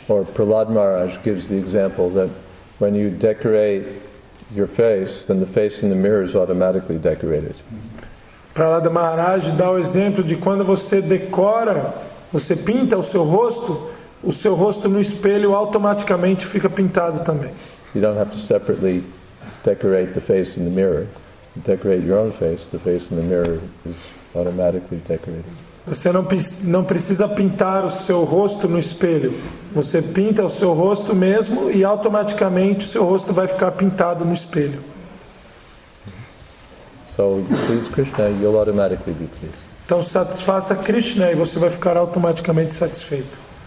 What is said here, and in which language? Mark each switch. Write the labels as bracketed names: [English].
[English] Or Prahlad Maharaj gives the example that when you decorate your face, then the face in the mirror is automatically decorated. [Portuguese] Prahlad Maharaj dá o exemplo de quando você decora, você pinta o seu rosto no espelho automaticamente fica pintado também. [English] You don't have to separately decorate the face in the mirror. You decorate your own face, the face in the mirror is automatically decorated. [Portuguese] Você não precisa pintar o seu rosto no espelho. Você pinta o seu rosto mesmo e automaticamente o seu rosto vai ficar pintado no espelho. [English] So, please Krishna, you'll automatically be pleased. [Portuguese] Então satisfaça Krishna e você vai ficar automaticamente satisfeito.